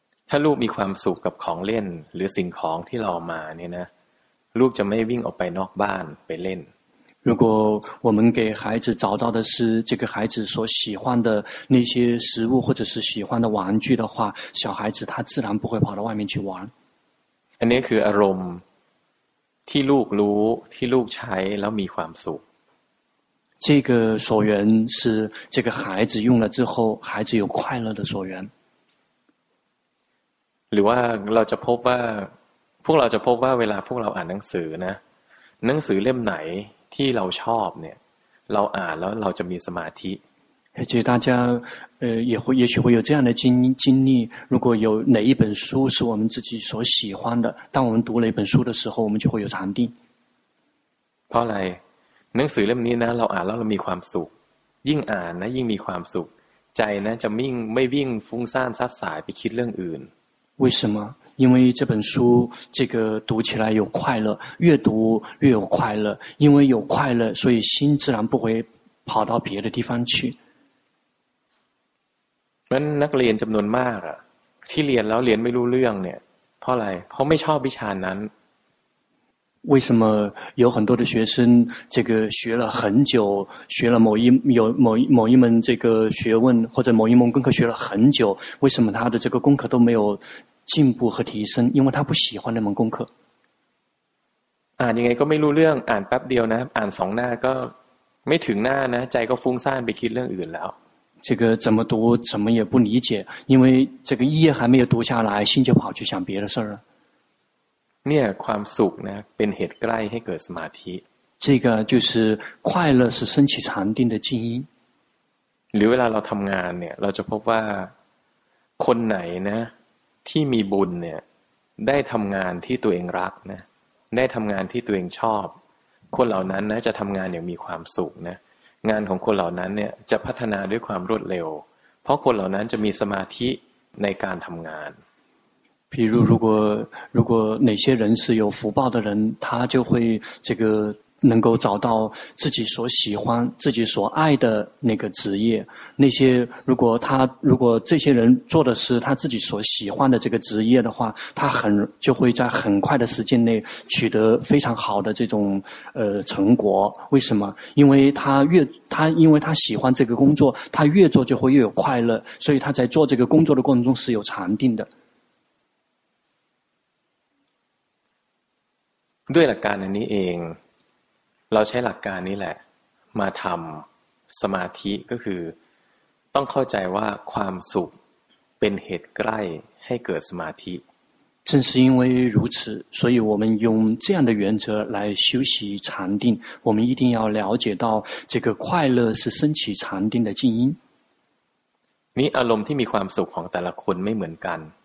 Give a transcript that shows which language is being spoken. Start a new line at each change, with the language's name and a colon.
Thai: ถ้าลูกมีความสุขกับของเล่นหรือสิ่งของที่เรามาเนี่ยนะลูกจะไม่วิ่งออกไปนอกบ้านไปเล่น
Chinese: 如果我们给孩子找到的是这个孩子所喜欢的那些食物或者是喜欢的玩具的话小孩子他自然不会跑到外面去玩
Thai: อันนี้คืออารมณ์ที่ลูกรู้ที่ลูกใช้แล้วมีความสุข
Chinese: 这个所缘是这个孩子用了之后孩子有快乐的所缘
Thai: หรือว่าเราจะพบว่าพวกเราจะพบว่าเวลาพวกเราอ่านหนังสือนะหนังสือเล่มไหนที่เราชอบเนี่ยเราอ่านแล้วเราจะมีสมาธิ
Chinese: 而且大家也许会有这样的经历如果有哪一本书是我们自己所喜欢的当我们读了一本书的时候我们就会有禅定
Thai: เพราะอะไรหนังสือเล่มนี้นะเราอ่านแล้วเรามีความสุขยิ่งอ่านนะยิ่งมีความสุขใจนะจะไม่วิ่งฟุ้งซ่านซัดสายไปคิดเรื่องอื่น
Chinese: 为什么因为这本书这个读起来有快乐越读越有快乐因为有快乐所以心自然不会跑到别的地方去
Thai: มันนักเรียนจำนวนมากอะที่เรียนแล้วเรียนไม่รู้เรื่องเนี่ยเพราะอะไรเพราะไม่ชอบวิชานั้น
Chinese: 为什么有很多的学生这个学了很久学了某一门这个学问或者某一门功课学了很久为什么他的这个功课都没有进步和提升因为他不喜欢那门功课
Thai: อ่านยังไงก็ไม่รู้เรื่องอ่านแป๊บเดียวนะอ่านสองหน้าก็ไม่ถึงหน้านะใจก็ฟุ้งซ่านไปคิดเรื่องอื่นแล้ว
Chinese: 这个怎么读怎么也不理解因为这个一页还没有读下来心就跑去想别的事了
Thai: เนี่ยความสุขนะเป็นเหตุใกล้ให้เกิดสมาธิ
Chinese: 这个就是快乐是升起禅定的静音
Thai: หรือเวลาเราทำงานเนี่ยเราจะพบว่าคนไหนนะที่มีบุญเนี่ยได้ทำงานที่ตัวเองรักนะได้ทำงานที่ตัวเองชอบคนเหล่านั้นนะจะทำงานอย่างมีความสุขนะงานของคนเหล่านั้นเนี่ยจะพัฒนาด้วยความรวดเร็วเพราะคนเหล่านั้นจะมีสมาธิในการทำงาน
Chinese: 比如如果哪些人是有福报的人，他就会这个能够找到自己所喜欢、自己所爱的那个职业。那些如果这些人做的是他自己所喜欢的这个职业的话，他很就会在很快的时间内取得非常好的这种成果。为什么？因为他喜欢这个工作，他越做就会越有快乐，所以他在做这个工作的过程中是有禅定的。
Thai: ด้วยหลักการนี้เองเราใช้หลักการนี้แหละมาทำสมาธิก็คือต้องเข้าใจว่าความสุขเป็นเหตุใกล้ให้เกิดสมาธิ
Chinese: 正是因为如此，所以我们用这样的原则来修习禅定。我们一定要了解到，这个快乐是升起禅定的静音。
Thai: นี่อารมณ์ที่มีความสุขของแต่ละคนไม่เหมือนกัน